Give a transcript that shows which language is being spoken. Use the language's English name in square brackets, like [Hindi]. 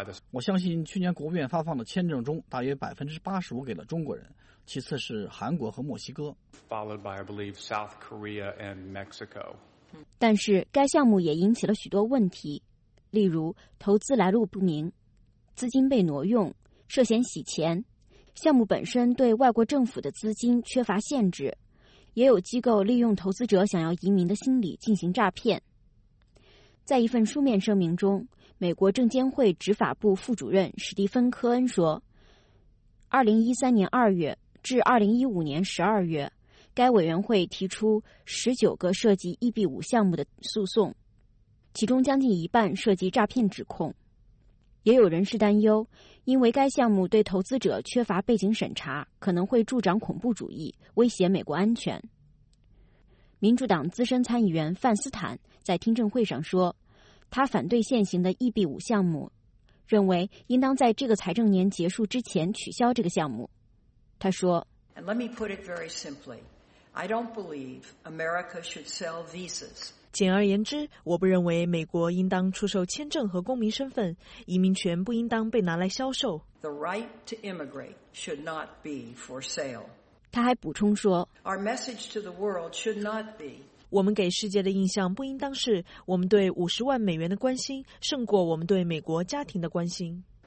[Chinese] 我相信去年国务院发放的签证中，大约85%给了中国人，其次是韩国和墨西哥。 [English] Followed by, I believe, South Korea and Mexico. [Chinese] 但是该项目也引起了许多问题，例如投资来路不明、资金被挪用、涉嫌洗钱。项目本身对外国政府的资金缺乏限制，也有机构利用投资者想要移民的心理进行诈骗。在一份书面声明中，美国证监会执法部副主任史蒂芬·科恩说，2013年2月至2015年12月，该委员会提出19个涉及 EB5 项目的诉讼，其中将近一半涉及诈骗指控。也有人士担忧，因为该项目对投资者缺乏背景审查，可能会助长恐怖主义，威胁美国安全。民主党资深参议员范斯坦在听证会上说，他反对现行的 EB5 项目，认为应当在这个财政年结束之前取消这个项目。他说， [English] And let me put it very simply, I don't believe America should sell visas. [Chinese] 简而言之，我不认为美国应当出售签证和公民身份，移民权不应当被拿来销售。 [English] The right to immigrate should not be for sale. [Chinese] 他还补充说， [English] Our message to the world should not be. [Chinese] 我们给世界的印象不应当是我们对50万美元的关心胜过我们对美国家庭的关心。